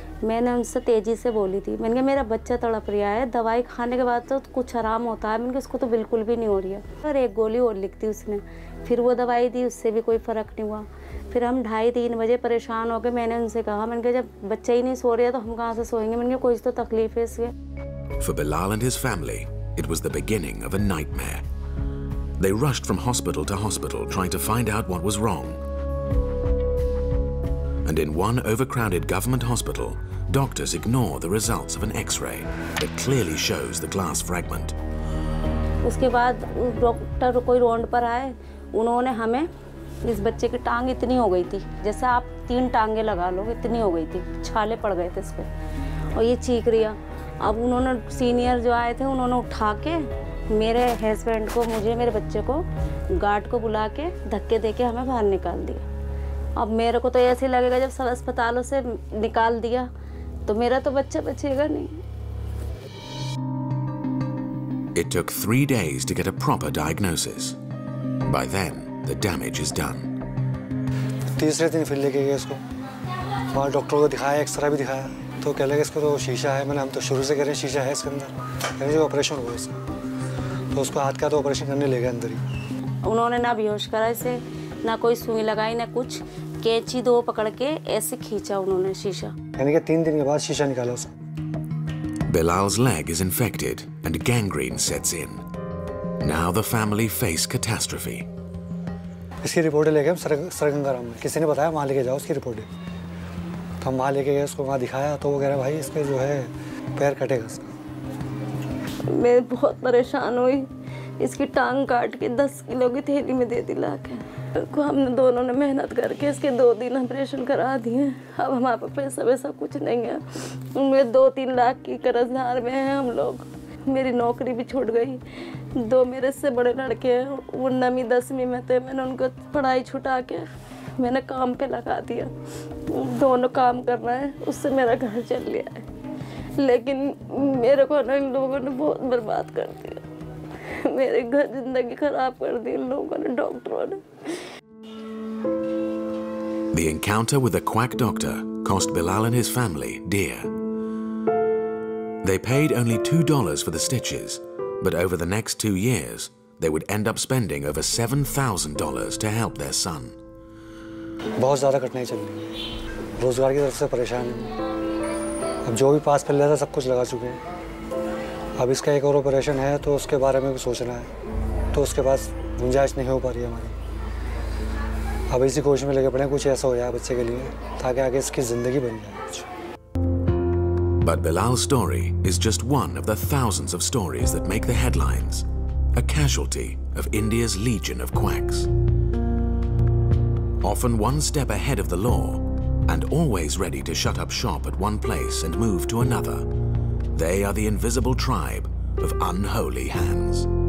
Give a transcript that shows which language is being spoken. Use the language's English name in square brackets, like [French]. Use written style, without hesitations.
[Hindi] मैंने उनसे तेज़ी से बोली थी मैंने कहा मेरा बच्चा तड़प रहा है दवाई खाने के बाद तो कुछ आराम होता है मैंने कहा उसको तो बिल्कुल भी नहीं हो रही है फिर एक गोली और लिख दी उसने फिर वो दवाई दी उससे भी कोई फ़र्क नहीं हुआ फिर हम 2:30-3 बजे परेशान हो गए मैंने उनसे कहा मैंने कहा जब बच्चा ही नहीं सो रहा तो हम कहाँ से सोएंगे मैंने कहा कुछ तो तकलीफ है इसके [English] For Bilal and his family, it was the beginning of a nightmare. They rushed from hospital to hospital trying to find out what was wrong. And in one overcrowded government hospital, doctors ignore the results of an X-ray that clearly shows the glass fragment. [Hindi] उसके बाद doctor कोई round पर आए, उन्होंने हमें इस बच्चे की टांग इतनी हो गई थी, जैसे आप 3 टांगे लगा लो, इतनी हो गई थी, छाले पड़ गए थे इसपे, और ये चीख रही है। अब उन्होंने सीनियर जो आए थे, उन्होंने उठा के मेरे हस्बैंड को, मुझे मेरे बच्चे को, गार्ड को बुला के धक्के देके हमें बाहर निकाल दिया। अब मेरे को तो ऐसे ही लगेगा जब सब अस्पतालों से निकाल दिया तो मेरा तो बच्चा बचेगा नहीं। [English] It took 3 days to get a proper diagnosis. By then, the damage is done. [Hindi] तीसरे दिन फिर लेके गए इसको। वहाँ डॉक्टर को दिखाया, एक्सरे भी दिखाया। तो कह लगे इसको तो शीशा है। मैंने हम तो शुरू से कह रहे शीशा है इसके अंदर। यानी जो ऑपरेशन हुआ इसका। तो उसको हाथ का तो ऑपरेशन करने ले गए अंदर ही। उन्होंने ना बेहोश करा इसे, ना कोई सुई लगाई ना कुछ कैंची दो पकड़ के ऐसे खींचा उन्होंने शीशा यानी कि 3 दिन के बाद शीशा निकाला उसका [English] Bilal's leg is infected and gangrene sets in now the family face catastrophe [Hindi] इसकी रिपोर्ट लेके हम सर गंगाराम में किसी ने बताया वहां लेके जाओ उसकी रिपोर्ट तो हम वहां लेके गए उसको वहां दिखाया तो वो कह रहे भाई इसके जो है पैर कटेगा मैं बहुत परेशान हुई इसकी टांग काट के 10 किलो की थैली में दे दी लाके हमने दोनों ने मेहनत करके इसके 2 दिन ऑपरेशन करा दिए अब हमारे पैसा वैसा कुछ नहीं है उनमें 2-3 लाख की कर्जदार में हैं हम लोग मेरी नौकरी भी छूट गई 2 मेरे से बड़े लड़के हैं वो 9वीं 10वीं में थे मैंने उनको पढ़ाई छुटा के मैंने काम पे लगा दिया दोनों काम कर रहे हैं उससे मेरा घर चल लिया है लेकिन मेरे को ना इन लोगों ने बहुत बर्बाद कर दिया मेरे घर जिंदगी खराब कर दी इन लोगों ने डॉक्टरों ने [English] The encounter with a quack doctor cost Bilal and his family dear. They paid only $2 for the stitches, but over the next 2 years, they would end up spending over $7,000 to help their son. [Hindi] बहुत ज़्यादा कठिनाई चल रही है। रोजगार की तरफ से परेशान हैं। अब जो भी पास पहले था सब कुछ लगा चुके हैं। अब इसका एक और ऑपरेशन है तो उसके बारे में भी सोचना है। तो उसके पास गुंजाइश नहीं हो पा रही हमारी। अब इसी कोशिश में लगे पड़े हैं कुछ ऐसा हो जाए बच्चे के लिए ताकि आगे इसकी ज़िंदगी बन जाए कुछ [English] But Bilal's story is just one of the thousands of stories that make the headlines, a casualty of India's legion of quacks. Often one step ahead of the law, and always ready to shut up shop at one place and move to another, they are the invisible tribe of unholy hands.